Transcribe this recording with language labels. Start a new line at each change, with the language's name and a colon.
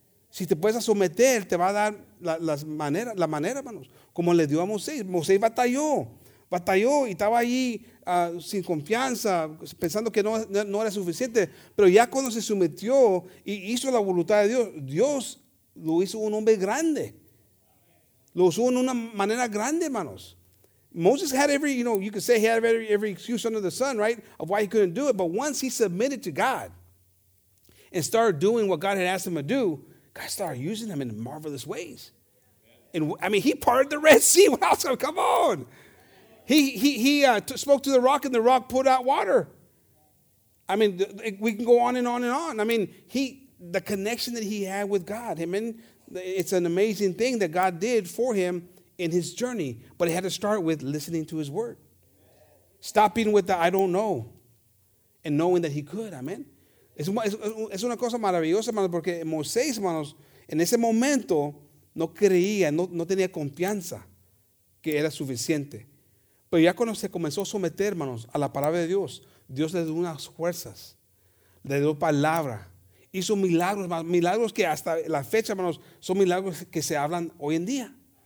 Spanish: Si te puedes someter, te va a dar la manera, hermanos, como le dio a Moisés. Moisés batalló y estaba ahí sin confianza, pensando que no era suficiente. Pero ya cuando se sometió y hizo la voluntad de Dios, Dios lo hizo un hombre grande. Lo usó en una manera grande, hermanos.
English: Moses had every, you know, you could say he had every excuse under the sun, right, of why he couldn't do it. But once he submitted to God and started doing what God had asked him to do, God started using him in marvelous ways. And I mean, he parted the Red Sea. What else? Come on. He spoke to the rock, and the rock put out water. I mean, we can go on and on and on. I mean, the connection that he had with God, I mean, it's an amazing thing that God did for him in his journey. But it had to start with listening to his word. Stopping with the I don't know and knowing that he could. Amen.
Spanish: Es una cosa maravillosa, hermanos, porque Moisés, hermanos, en ese momento no creía, no tenía confianza que era suficiente. Pero ya cuando se comenzó a someter, hermanos, a la palabra de Dios, Dios le dio unas fuerzas, le dio palabra, hizo milagros, hermanos, milagros que hasta la fecha, hermanos, son milagros que se hablan hoy en día.